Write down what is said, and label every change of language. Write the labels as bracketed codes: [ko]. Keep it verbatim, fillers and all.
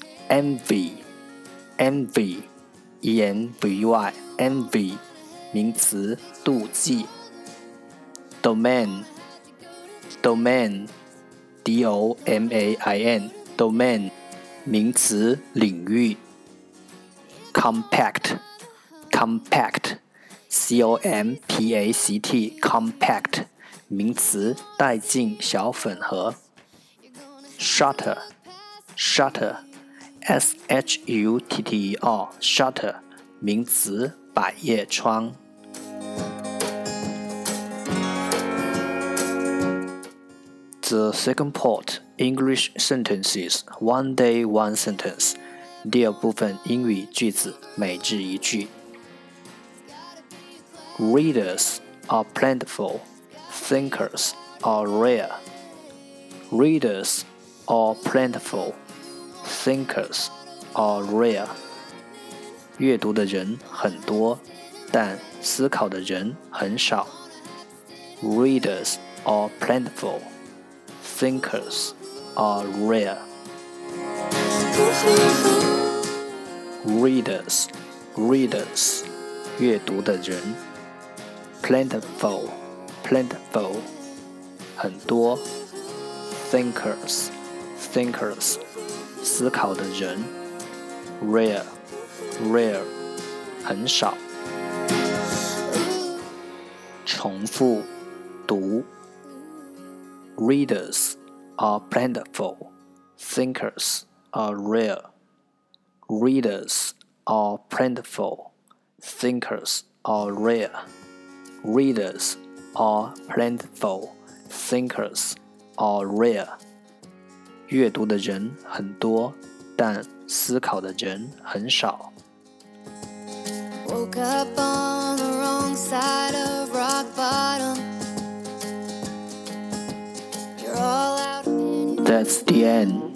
[en] Envy, envy, E-N-V-Y, envy, [zh] 名词，妒忌。 [en] Domain, domain, D-O-M-A-I-N, domain, [zh] 名词，领域。 [en] Compact, compact,C-O-M-P-A-C-T, compact, [zh] 名词，带进小粉盒。 [en] Shutter, shutter, S-H-U-T-T-E-R, shutter, [zh] 名词，百叶窗。 [en] The second part, English sentences, one day one sentence. [zh] 第二部分英语句子，每日一句。 [en] Readers are plentiful, thinkers are rare. Readers are plentiful, thinkers are rare. [zh] 阅读的人很多，但思考的人很少。 [en] Readers are plentiful, thinkers are rare. Readers, readers, [zh] 阅读的人。 [en] Plentiful, plentiful, [zh] 很多。 [en] Thinkers, thinkers, [zh] 思考的人。 [en] Rare, rare, [zh] 很少。重复读。 [en] Readers are plentiful, thinkers are rare. Readers are plentiful, thinkers are rare. Readers are plentiful, thinkers are rare. [zh] 阅读的人很多，但思考的人很少。 [en] Woke up on the wrong side of rock bottom. You're all out in... That's the end.